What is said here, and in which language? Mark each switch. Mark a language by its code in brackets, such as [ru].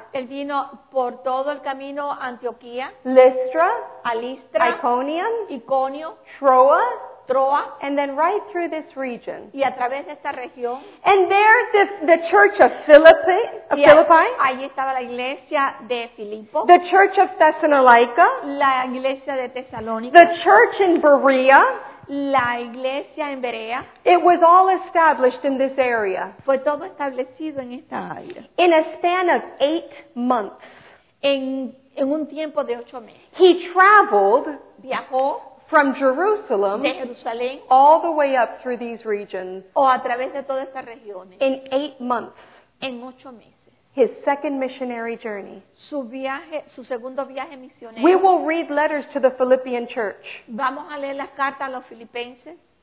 [es] Él vino por todo el camino a Antioquía. [en] Lystra, [es] a Listra, [en] Iconium, [es] Iconio, [en] Troas. And then right through this region. [es] Y a través de esta región. [en] And there the church of Philippi. [es] Allí estaba la iglesia de Filipo. [en] The church of Thessalonica. [es] La iglesia de Tesalónica. [en] The church in Berea. [es] La iglesia en Berea. [en] It was all established in this area. [es] Fue todo establecido en esta área. [en] In a span of 8 months. [es] En un tiempo de 8 meses. [en] He traveled. [es] Viajó. [en] From Jerusalem, [es] de Jerusalén, [en] all the way up through these regions, [es] o a través de todas estas regiones, [en] in 8 months, [es] en 8 meses, [en] his second missionary journey, [es] su viaje, su segundo viaje misionero. [en] We will read letters to the Philippian church, [es] vamos a leer las cartas a los filipenses,